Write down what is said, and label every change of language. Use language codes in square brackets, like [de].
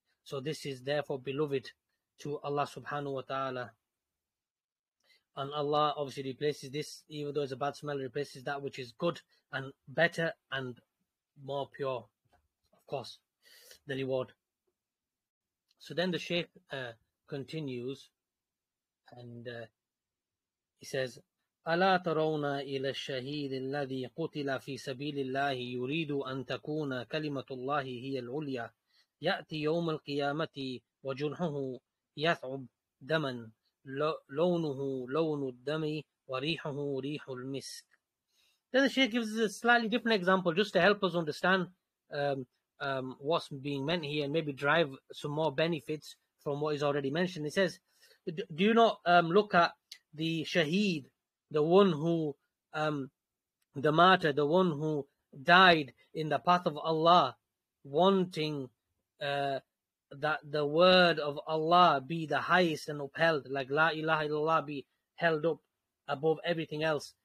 [en] So this is therefore beloved to Allah subhanahu wa ta'ala. And Allah obviously replaces this, even though it's a bad smell, replaces that which is good and better and more pure, of course, the reward. So then the Shaykh continues, and he says, [ar] أَلَا تَرَوْنَا إِلَى الشَّهِيدِ الَّذِي قُتِلَ فِي سَبِيلِ اللَّهِ يُرِيدُ أَن تَكُونَ كَلِمَةُ اللَّهِ هِيَ الْعُلْيَا يَأْتِ يَوْمَ الْقِيَامَةِ وَجُنْحُهُ يَثْعُبْ دَمًا لَوْنُهُ لَوْنُ الدَّمِ وَرِيحُهُ رِيحُ الْمِسْكِ. [en] Then the Shaykh gives us a slightly different example just to help us understand what's being meant here, and maybe drive some more benefits from what is already mentioned. He says, do you not look at the shaheed, the one who, the martyr, the one who died in the path of Allah, wanting that the word of Allah be the highest and upheld, like La ilaha illallah be held up above everything else.